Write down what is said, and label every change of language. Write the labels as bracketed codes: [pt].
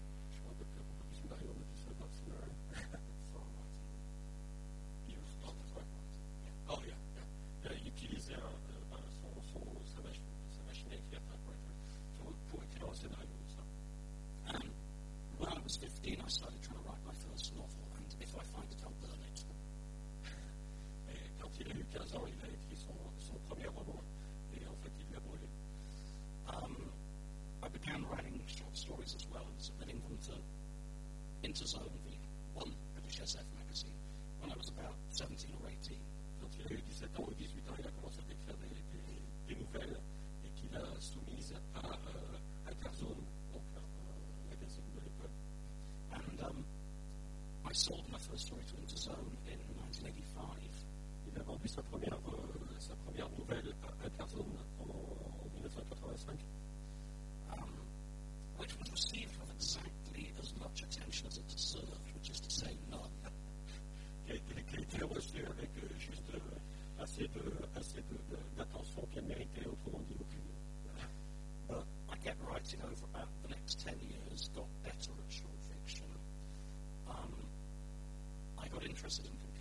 [fr] Je crois que beaucoup de scénarios ne disent pas ça. [en] For writing. You start with writing. Oh, yeah. [fr] Utiliser sa machine à écrire typewriter pour écrire un scénario. [en] When I was 15, I started trying to write my first novel, and if I find it, I'll burn it. [fr] Et quand il a eu 15 ans, il a écrit son premier roman, et en fait, il l'a brûlé. [en] I began writing short stories as well, and submitting them to Interzone, the one British SF magazine, when I was about 17 or 18. [fr] Quand il a eu 17 ans ou 18 ans, il a commencé à écrire des nouvelles, et qu'il a soumises à Interzone. [en] And I sold my first story to Interzone in 1985. [fr] Il a vendu sa première nouvelle à Interzone en 1985. [en] Which was received with exactly as much attention as it deserved, which is to say, none. [fr] Qui a été reçu avec juste assez d'attention qu'elle méritait, autrement dit, aucune. [en] But I kept writing over about the next 10 years, got better at short fiction. I got interested in